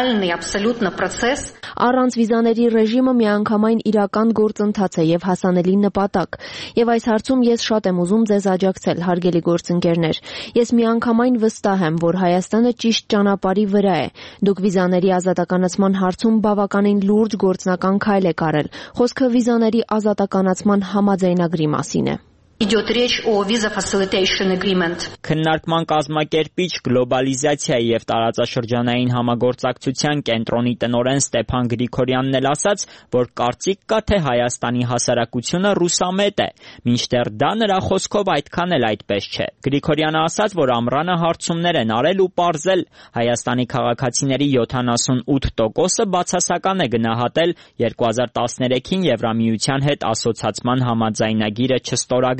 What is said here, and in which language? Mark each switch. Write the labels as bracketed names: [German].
[Armenian] Առանց վիզաների ռեժիմը միանգամայն իրական գործընթաց է և հասանելի նպատակ։ Եվ այս հարցում ես շատ եմ ուզում ձեզ աջակցել, հարգելի գործընկերներ։ Ես միանգամայն վստահ եմ, որ Հայաստանը ճիշտ ճանապարհի վրա է։ Դուք վիզաների ազատականացման հարցում բավականին լուրջ գործնական քայլ եք արել։ Խոսքը վիզաների ազատականացման համաձայնագրի մասին է։ [Russian] Идёт речь о [English] visa facilitation agreement. [Armenian] Քննարկման կազմակերպիչ գլոբալիզացիայի եւ տարածաշրջանային համագործակցության կենտրոնի տնօրեն Ստեփան Գրիգորյանն էլ ասաց, որ կարծիք կա թե Հայաստանի հասարակությունը ռուսամետ է, մինչդեռ դա նրա խոսքով այդքան էլ այդպես չէ։ Գրիգորյանը ասաց, որ ամրանը հարցումներ են արել ու պարզել, Հայաստանի քաղաքացիների 78%-ը բացասական է գնահատել 2013-ին Եվրամիության հետ ասոցացման համաձայնագիրը չստորագրել։